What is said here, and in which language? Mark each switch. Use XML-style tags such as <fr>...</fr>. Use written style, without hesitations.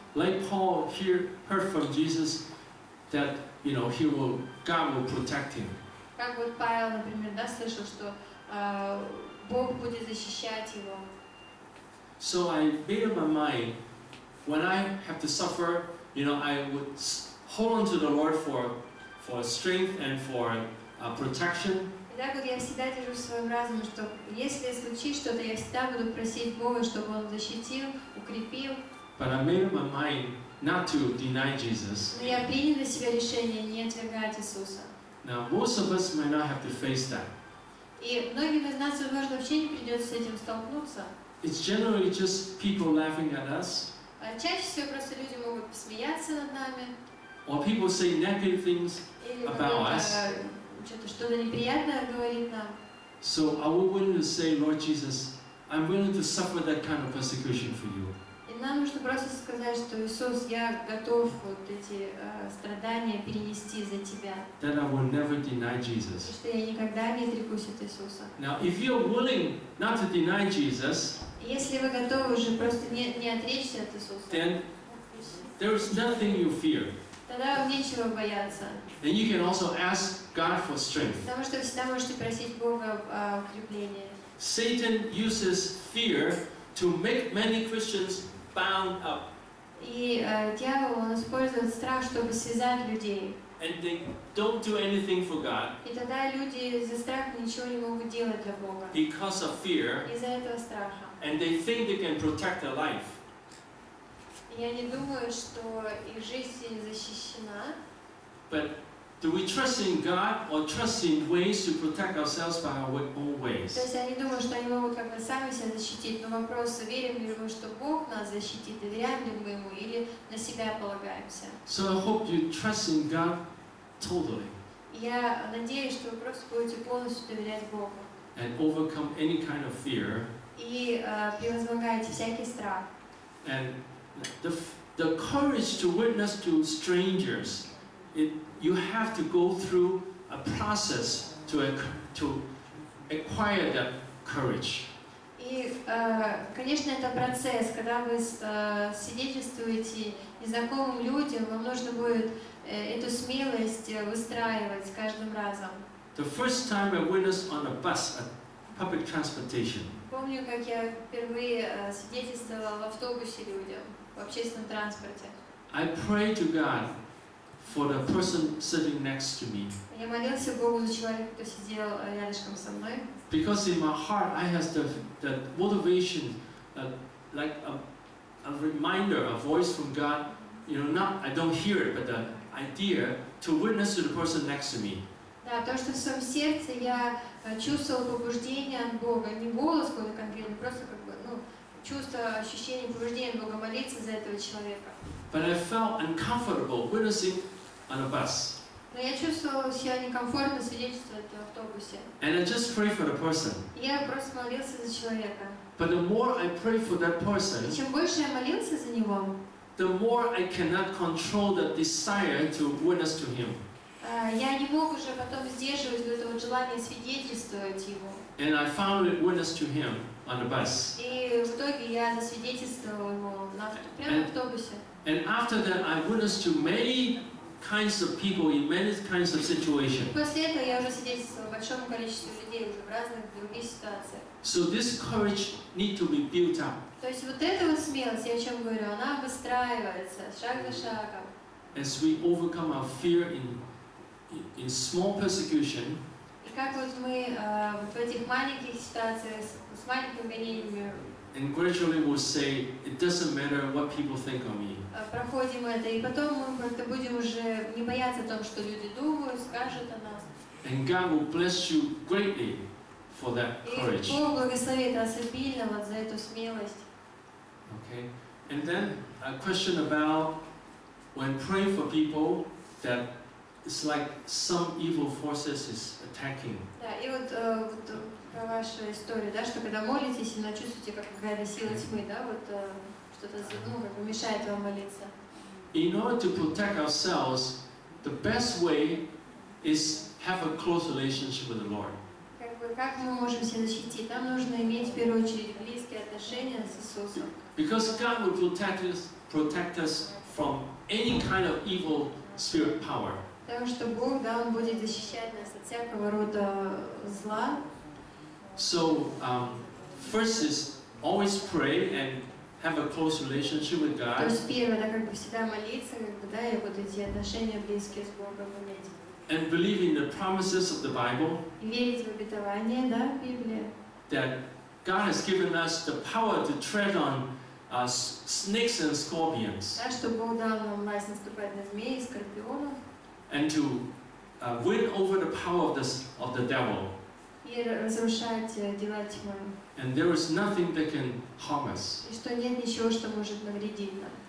<en>Like Paul heard from Jesus that, you know, God will protect him.</en> <ru>Как вот Павел, например, да, слышал, что Бог будет защищать его.</ru> <en>So I made up my mind, when I have to suffer, you know, I would hold on to the Lord for strength and for protection.</en> <ru>И так вот я всегда держу в своем разуме, что если случится что-то, я всегда буду просить Бога, чтобы Он защитил, укрепил.</ru> <en>But I made up my mind not to deny Jesus.</en> <ru>Но я принял для себя решение не отвергать Иисуса.</ru> <en>Now most of us might not have to face that.</en> <ru>И многим из нас, возможно, вообще не придется с этим столкнуться.</ru> <en>It's generally just people laughing at us.</en> <ru>Чаще всего просто люди могут посмеяться над нами.</ru> <en>Or people say negative things about us.</en> <ru>Что-то неприятное говорит нам.</ru> <en>So are we willing to say, Lord Jesus, I'm willing to suffer that kind of persecution for You?</en> <ru>И нам нужно просто сказать, что Иисус, я готов вот эти страдания перенести за Тебя.</ru> <en>Then I will never deny Jesus.</en> <ru>Что я никогда не отрекусь от Иисуса.</ru> <en>Now if you're willing not to deny Jesus.</en> <ru>Если вы готовы уже просто не отречься от Иисуса.</ru> <en>Then there is nothing you fear.</en> <ru>Тогда вам нечего бояться.</ru> <en>And you can also ask God for strength.</en> <ru>Потому что всегда можете просить Бога о укреплении.</ru> <en>Satan uses fear to make many Christians bound up.</en> <ru>И дьявол, он использует страх, чтобы связать людей.</ru> <en>And they don't do anything for God.</en> <ru>И тогда люди из-за страха ничего не могут делать для Бога.</ru> <en>Because of fear.</en> <ru>Из-за этого страха.</ru> <en>And they think they can protect their life.</en> <ru>Я не думаю, что их жизнь защищена.</ru> <en>But Do we trust in God or trust in ways to protect ourselves by our own ways?</en> <ru>То есть они думают, что они могут как бы сами себя защитить, но вопрос, верим ли мы, что Бог нас защитит, доверяем ли мы ему или на себя полагаемся?</ru> <en>So I hope you trust in God totally.</en> <ru>Я надеюсь, что вы просто будете полностью доверять Богу.</ru> <en>And overcome any kind of fear.</en> <ru>И превозмогаете всякий страх.</ru> <en>And the courage to witness to strangers, you have to go through a process to acquire that courage.</en> <ru>И, конечно, это процесс, когда вы свидетельствуете незнакомым людям, вам нужно будет эту смелость выстраивать каждым разом.</ru> <en>The first time I witnessed on a bus, a public transportation.</en> <ru>Помню, как я впервые свидетельствовала в автобусе людям, в общественном транспорте.</ru> <en>I pray to God for the person sitting next to me.</en> <ru>Я молился Богу за человека, кто сидел рядышком со мной.</ru> <en>Because in my heart I have the motivation, like a reminder, a voice from God, you know, not I don't hear it, but the idea to witness to the person next to me.</en> <ru>Да, то, что в своем сердце я чувствовал побуждение от Бога, не голос какой-то конкретный, просто как бы, ну, чувство, ощущение побуждения от Бога молиться за этого человека.</ru> <en>But I felt uncomfortable witnessing on a bus.</en> <ru>Но я чувствовал себя некомфортно свидетельствовать в автобусе.</ru> <en>And I just prayed for the person.</en> <ru>Я просто молился за человека.</ru> <en>But the more I prayed for that person,</en> <ru>и чем больше я молился за него,</ru> <en>the more I cannot control the desire to witness to him.</en> <ru>Я не мог уже потом сдерживать вот это вот желание свидетельствовать ему.</ru> <en>And I finally witnessed to him on the bus.</en> <ru>И в итоге я засвидетельствовал ему прямо в автобусе.</ru> <en>And after that, I witnessed to many kinds of people in many kinds of situations.</en> <ru>После этого я уже свидетельствовал большому количеству людей уже в разных других ситуациях.</ru> <en>So this courage need to be built up.</en> <ru>То есть вот эта вот смелость, я о чем говорю, она выстраивается шаг за шагом.</ru> <en>As we overcome our fear in small persecution.</en> <ru>И как вот мы вот в этих маленьких ситуациях с маленькими гонениями.</ru> <en>And gradually we'll say, it doesn't matter what people think of me.</en> <ru>Проходим это, и потом мы как-то будем уже не бояться о том, что люди думают, скажут о нас.</ru> <en>And God will bless you greatly for that courage.</en> <ru>И Бог благословит вас обильно вот за эту смелость.</ru> <en>Okay. And then a question about when praying for people that it's like some evil forces is attacking.</en> <ru>Да, и вот про вашу историю, да, что когда молитесь, и чувствуете, как какая-то сила тьмы, да, вот что-то, ну, как бы мешает вам молиться.</ru> <en>In order to protect ourselves, the best way is have a close relationship with the Lord.</en> <ru>Как мы можем себя защитить? Нам нужно иметь в первую очередь близкие отношения с Иисусом.</ru> <en>Because God will protect us from any kind of evil spirit power.</en> <ru>Потому что Бог, да, Он будет защищать нас от всякого рода зла.</ru> <en>So, first is always pray and have a close relationship with God.</en> <ru>То есть первое, да, как бы всегда молиться, как бы, да, и вот эти отношения близкие с Богом иметь.</ru> <en>And believe in the promises of the Bible.</en> <ru>И верить в обетование, да, в Библии.</ru> <en>That God has given us the power to tread on snakes and scorpions.</en> <ru>Да, что Бог дал нам власть наступать на змеи и скорпионов.</ru> <en>And to win over the power of the devil.</en> <ru>И разрушать дела тьмы.</ru> <en>And there is nothing that can harm us.</en> <ru>И что нет ничего, что может навредить нам.</ru>